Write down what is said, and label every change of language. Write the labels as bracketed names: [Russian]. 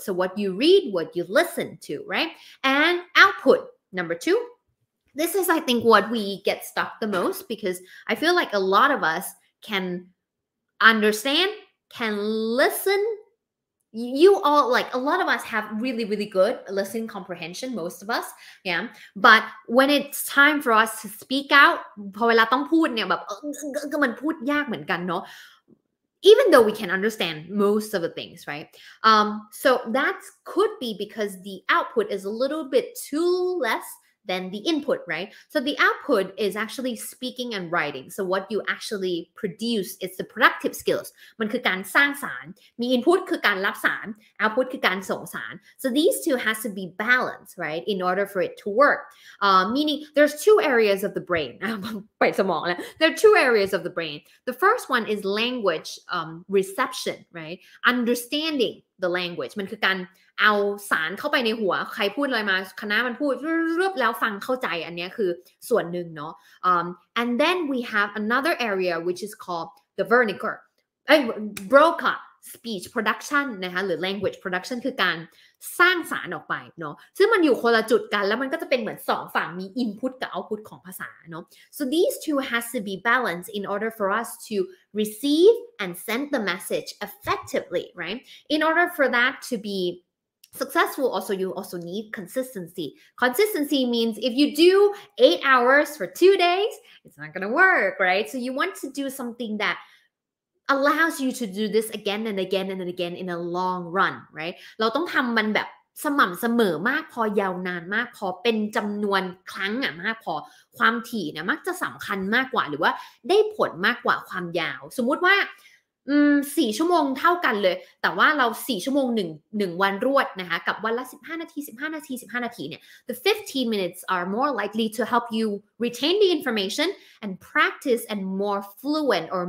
[English] So what you read, what you listen to, right? And output, number two. This is, I think, what we get stuck the most because I feel like a lot of us can understand, can listen,You all, like, a lot of us have really, really good listening comprehension, most of us, yeah? But when it's time for us to speak out, [Thai] พอเวลาต้องพูดเนี่ยแบบมันพูดยากเหมือนกันเนาะ [English] Even though we can understand most of the things, right? So that could be because the output is a little bit too less than the input, right? So the output is actually speaking and writing. So what you actually produce is the productive skills. [Thai] มันคือการสร้างสาร มี input คือการรับสาร output คือการส่งสาร [English] So these two has to be balanced, right? In order for it to work. Meaning there's two areas of the brain. [Thai] ไปสมองแล้ว [English] There are two areas of the brain. The first one is language reception, right? Understanding, [Thai] the language มันคือการเอาสารเข้าไปในหัวใครพูดอะไรมาคณะมันพูดรวบแล้วฟังเข้าใจอันนี้คือส่วนหนึ่งเนาะ [English] and then we have another area which is called the vernacular broca speech production นะคะหรือ language production [Thai] คือการสร้างสารออกไปเนาะซึ่งมันอยู่คนละจุดกันแล้วมันก็จะเป็นเหมือนสองฝั่งมี [English] input กับ output ของภาษาเนาะ so these two has to be balanced in order for us to receive and send the message effectively right in order for that to beSuccessful also, you also need consistency. Consistency means if you do 8 hours for 2 days, it's not gonna work, right? So you want to do something that allows you to do this again and again and again in a long run, right? [Thai] เราต้องทำมันแบบสม่ำเสมอมากพอยาวนานมากพอเป็นจำนวนครั้งอ่ะมากพอความถี่เนี่ยมักจะสำคัญมากกว่าหรือว่าได้ผลมากกว่าความยาวสมมติว่า4ชั่วโมงเท่ากันเลยแต่ว่าเรา4ชั่วโมง1วันรวดนะคะกับวันละ15 นาที 15 นาที 15 นาทีเนี่ย [English] the 15 minutes are more likely to help you retain the information and practice and more fluent